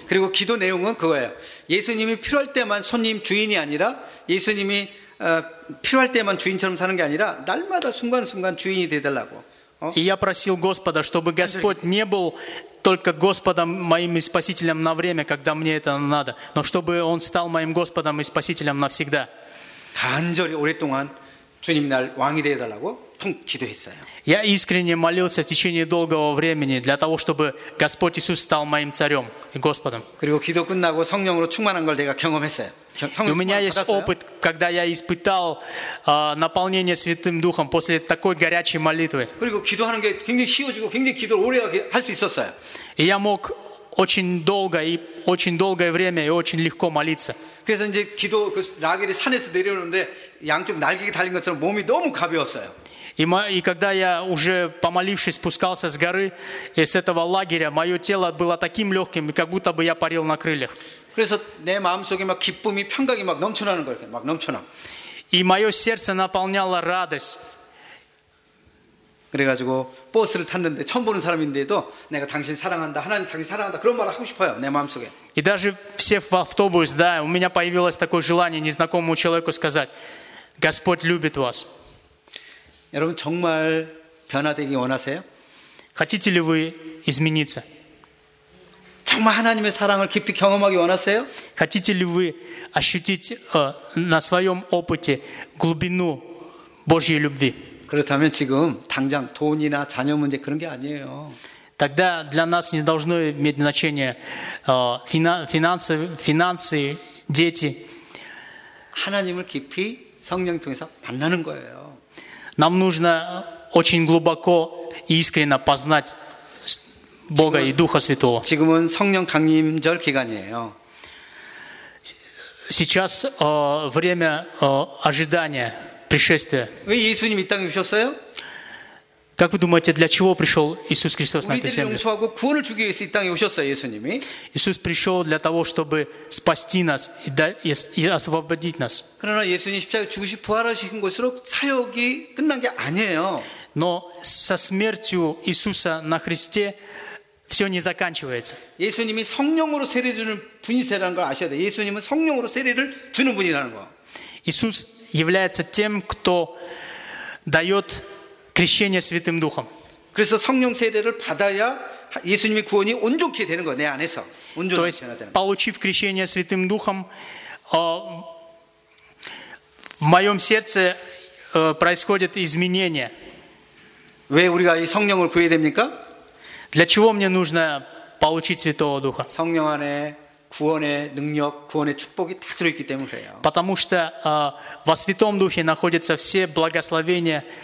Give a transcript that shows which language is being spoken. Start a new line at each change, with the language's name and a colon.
Korean: 그리고 기도 내용은 그거예요. 예수님이 필요할 때만 손님 주인이 아니라 예수님이 필요할 때만 주인처럼 사는 게 아니라 날마다 순간순간 주인이 돼 달라고.
Russian: 이 я просил Господа, чтобы Господь не был только Господом моим и Спасителем на время, когда мне это надо, но чтобы Он стал моим Господом и Спасителем навсегда.
Korean: 간절히 오랫동안 주님 날 왕이 되어달라고 통 기도했어요.
Russian: Я искренне молился в течение долгого времени для того, чтобы Господь Иисус стал моим царем и Господом.
Korean: 그리고 기도 끝나고 성령으로 충만한 걸 내가 경험했어요.
Russian: У меня есть опыт, когда я испытал наполнение Святым Духом после такой горячей молитвы.
Korean: 그리고 기도하는 게 굉장히 쉬워지고 굉장히 기도를 오래 할 수 있었어요.
Russian: И я мог очень долгое время и очень легко молиться.
Korean: 그래서 이제 기도 그 라겔이 산에서 내려오는데 양쪽 날개가 달린 것처럼 몸이 너무 가벼웠어요.
Russian: И когда я уже помолившись спускался с горы из этого лагеря, мое тело было таким легким, как будто бы я парил на крыльях.
Korean: 그래서 내 마음속에 막 기쁨이 평강이 막 넘쳐나는 거예요. 막 넘쳐나.
Russian: И мое сердце наполняло радость.
Korean: 그래가지고 버스를 탔는데 처음 보는 사람인데도 내가 당신 사랑한다, 하나님 당신 사랑한다 그런 말을 하고 싶어요. 내 마음속에.
Russian: И даже сев в автобус, да, у меня появилось такое желание незнакомому человеку сказать: Господь любит вас.
Korean: 여러분 정말 변화되기 원하세요?
Russian: Хотите ли вы измениться?
Korean: 정말 하나님의 사랑을 깊이 경험하기 원하세요?
Russian: Хотите ли вы ощутить на своем опыте глубину Божьей любви?
Korean: 그렇다면 지금 당장 돈이나 자녀 문제 그런 게 아니에요.
Russian: Тогда для нас не должно иметь значения финансы, дети.
Korean: 하나님을 깊이 성령 통해서 만나는 거예요.
Russian: Нам нужно очень глубоко и искренне познать Бога и Духа Святого.
Korean: 지금은 성령 강림절 기간이에요.
Russian: Сейчас время ожидания пришествия.
Korean: 왜 예수님 이 땅에 오셨어요?
Russian: Как вы думаете, для чего пришел Иисус Христос на эту землю?
Korean: 우리들을 용서하고 구원을 주기 위해서 이 땅에 오셨어요, 예수님이.
Russian: Иисус пришел для того, чтобы спасти нас и освободить нас.
Korean: 그러나 예수님 십자가에 죽으시 부활하신 것으로 사역이 끝난 게 아니에요.
Russian: Но со смертью Иисуса на Христе все не заканчивается.
Korean: 예수님이 성령으로 세례 주는 분이세라는 걸 아셔야 돼. 예수님은 성령으로 세례를 주는 분이라는 거.
Russian: Иисус является тем, кто дает крещение Святым Духом.
Korean: 그래서 성령 세례를 받아야 예수님의 구원이 온전케 되는 거 내 안에서 온전히 변화되는.
Russian: Получив крещение Святым Духом, в моем сердце происходит изменение.
Korean: 왜 우리가 이 성령을 구해야 됩니까?
Russian: Для чего мне нужно получить Святого Духа?
Korean: 성령 안에 구원의 능력, 구원의 축복이 다 들어있기 때문에요.
Russian: Потому что во Святом Духе находятся все благословения.